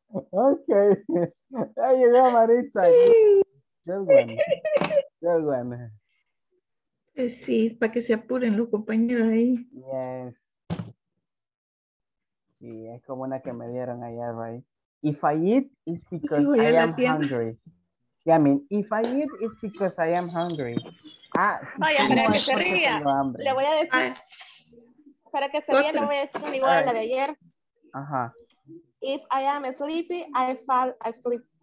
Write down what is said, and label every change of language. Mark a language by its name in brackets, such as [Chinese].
[Spanish] Ok. Ahí llegó Maritza. Sí. Qué bueno. Sí, para que se apuren los compañeros ahí. [English] Yes. [Spanish] Sí, es como una que me dieron allá, right? [English] If I eat, it's because I am hungry. Yeah, I mean, if I eat, it's because I am hungry. Ah, [Spanish] sí. Vaya, para que se ría. Le voy a decir. Para que se ría, le voy a decir igual a la de ayer. Ajá. [English] If I am sleepy, I fall asleep.